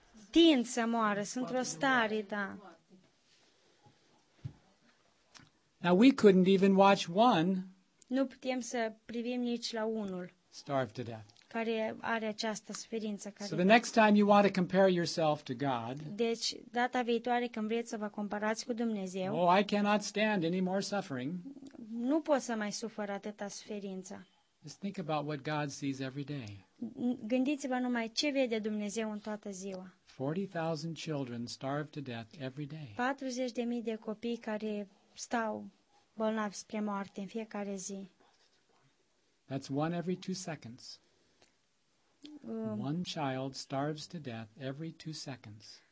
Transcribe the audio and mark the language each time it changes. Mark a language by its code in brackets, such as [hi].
[ro] Tind să moară, sunt într-o stare, da. [en] Now we couldn't even watch one. [ro] Nu putem să privim nici la unul care are această suferință. [en] So the next time you want to compare yourself to God. [ro] Deci data viitoare când vreți să vă comparați cu Dumnezeu. [en] Oh, I cannot stand any more suffering. [ro] Nu pot să mai sufăr atâta suferință. [en] Just think about what God sees every day. [ro] Gândiți-vă numai ce vede Dumnezeu în toată ziua. [en] 40,000 children starve to death every day. [ro] 40,000 de copii care stau bolnavi spre moarte în fiecare zi. [en] That's one every 2 seconds. One child starves to death every 2 seconds.